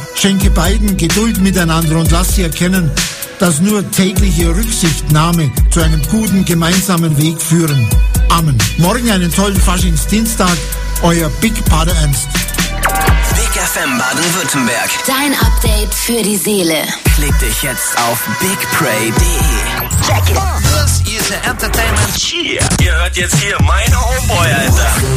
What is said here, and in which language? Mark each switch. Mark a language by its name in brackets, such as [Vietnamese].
[German] Schenke beiden Geduld miteinander und lass sie erkennen, dass nur tägliche Rücksichtnahme zu einem guten gemeinsamen Weg führen. Amen. Morgen einen tollen Faschingsdienstag. Euer Big Pater Ernst. Big FM Baden-Württemberg. Dein Update für die Seele. Klick dich jetzt auf bigpray.de. [English] Check it. This is the entertainment. Yeah. [German] Ihr hört jetzt hier meine Homeboy, Alter.